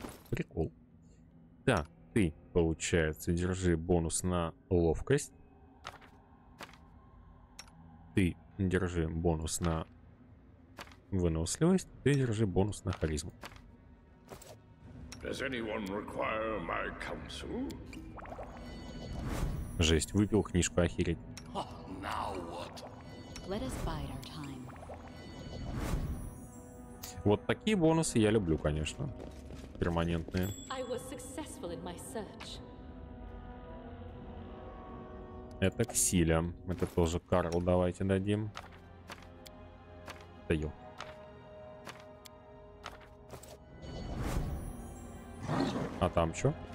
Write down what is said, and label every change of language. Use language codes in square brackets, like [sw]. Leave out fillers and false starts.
[ru] Прикол. Так, ты, получается, держи бонус на ловкость. Ты держи бонус на выносливость. Ты держи бонус на харизму. [en] Does anyone require my counsel? [ru] Жесть, выпил книжку охереть. [en] Let us bide our time. [ru] Вот такие бонусы я люблю, конечно. Перманентные. [en] I was successful in my search. [ru] Это к силе. Это тоже Карл, давайте дадим. Даю. А там что?